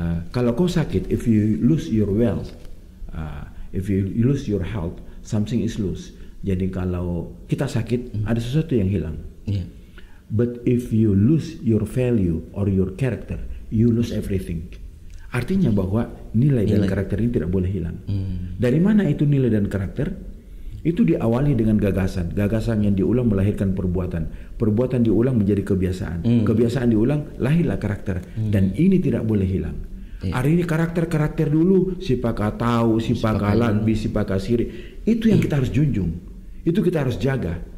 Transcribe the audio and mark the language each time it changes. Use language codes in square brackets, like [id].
[id] Kalau kau sakit, [en] if you lose your wealth, if you lose your health, something is lost. [id] Jadi kalau kita sakit, ada sesuatu yang hilang. [en] But if you lose your value or your character, you lose everything. [id] Artinya bahwa nilai dan karakter ini tidak boleh hilang. Dari mana itu nilai dan karakter? Itu diawali dengan gagasan. Gagasan yang diulang melahirkan perbuatan. Perbuatan diulang menjadi kebiasaan. Kebiasaan diulang, lahirlah karakter. Dan ini tidak boleh hilang. Hari ini karakter-karakter dulu, sipaka tahu, sipaka lambi, sipaka siri, itu yang kita harus junjung, itu kita harus jaga.